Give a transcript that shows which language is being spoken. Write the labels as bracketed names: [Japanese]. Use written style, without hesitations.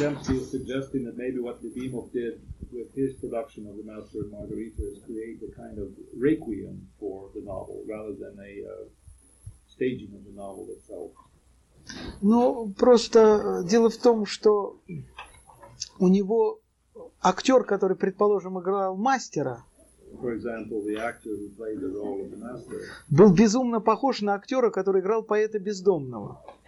[English] With his production of the Master and Margarita, is create a kind of requiem for the novel rather than a staging of the novel itself. [Russian] Ну просто дело в том, что у него актер, который, предположим, играл мастера, [English] for example, the actor who played the role of the master, [Russian] был безумно похож на актера, который играл поэта бездомного.